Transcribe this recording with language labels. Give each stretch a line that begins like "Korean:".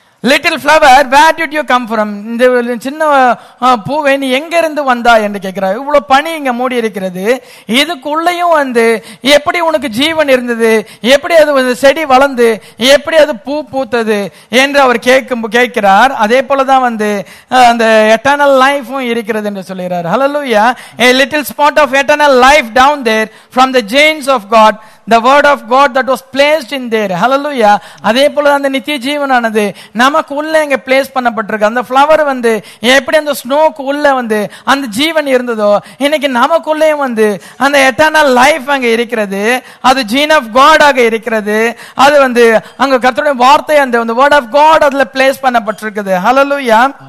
English: Little flower, where did you come from?
Tamil: இந்த சின்ன பூவை நீ எங்க இருந்து வந்தா என்று கேட்கிறார். இவ்வளவு பனி இங்க மூடி இருக்கிறது, இதுக்குள்ளயும் வந்து எப்படி உனக்கு ஜீவன் இருந்தது, எப்படி அது செடி வளர்ந்து எப்படி அது பூ பூத்தது என்று அவர் கேட்கிறார். அதே போலதான் வந்து அந்த எட்டர்னல் லைஃபும் இருக்கிறது என்று சொல்லுகிறார். ஹல்லேலூயா.
English: A little spot of eternal life down there from the genes of God. The word of God that was placed in there. Hallelujah.
Tamil: அதே போல அந்த நித்திய ஜீவனானது நமக்கு உள்ளே இங்கே பிளேஸ் பண்ணப்பட்டிருக்கு. அந்த ஃப்ளவர் வந்து எப்படி அந்த ஸ்னோக்கு உள்ளே வந்து அந்த ஜீவன் இருந்ததோ இன்னைக்கு நமக்குள்ளேயும் வந்து அந்த எட்டர்னல் லைஃப் அங்கே இருக்கிறது. அது ஜீன் ஆஃப் காடாக இருக்கிறது. அது வந்து அங்கே கர்த்தருடைய வார்த்தை அந்த வேர்ட் ஆஃப் காட் அதில் பிளேஸ் பண்ணப்பட்டிருக்குது. ஹல்லேலூயா.